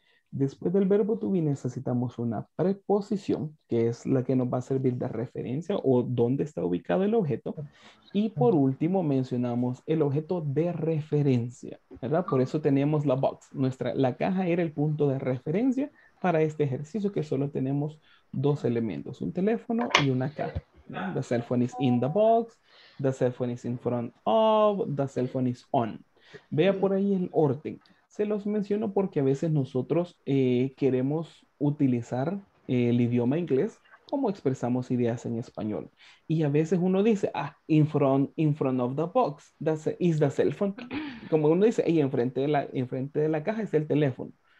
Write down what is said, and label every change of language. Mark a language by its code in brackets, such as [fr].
[es] Después del verbo to be necesitamos una preposición, que es la que nos va a servir de referencia o dónde está ubicado el objeto. Y por último mencionamos el objeto de referencia, ¿verdad? Por eso teníamos la box. La caja era el punto de referencia para este ejercicio, que solo tenemos dos elementos, un teléfono y una caja. [en] The cell phone is in the box, the cell phone is in front of, the cell phone is on. [es] Vea por ahí el orden. Se los menciono porque a veces nosotros queremos utilizar el idioma inglés como expresamos ideas en español. Y a veces uno dice, ah, [en] in front of the box, is the cell phone. [es] Como uno dice, hey, enfrente de la caja es el teléfono.